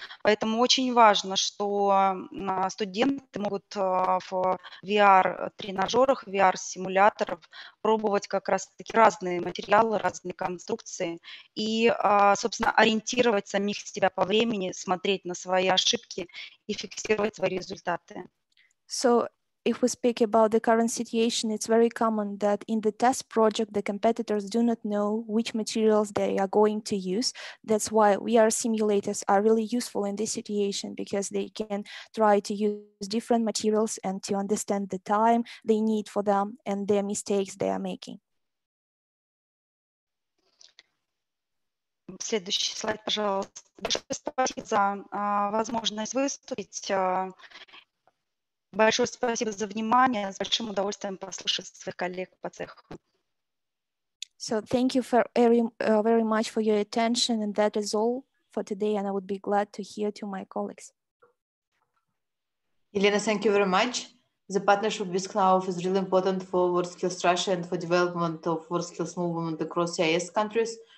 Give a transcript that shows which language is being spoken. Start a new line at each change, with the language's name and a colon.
Russian: Поэтому очень важно, что студенты могут в VR-тренажерах, VR-симуляторах пробовать как раз-таки разные материалы, разные конструкции и, собственно, ориентировать самих себя по времени, смотреть на свои ошибки и фиксировать свои результаты.
English: So if we speak about the current situation, it's very common that in the test project, the competitors do not know which materials they are going to use. That's why VR simulators are really useful in this situation because they can try to use different materials and to understand the time they need for them and their mistakes they are making.
Russian: Следующий слайд, пожалуйста. Спасибо за возможность выступить. Большое спасибо за внимание. С большим удовольствием послушать своих коллег по цеху.
English: So thank you for very much for your attention, and that is all for today. And I would be glad to hear to my colleagues. Елена, thank you very much. The partnership with Knauf is really important for WorldSkills Russia and for development of WorldSkills movement across CIS countries.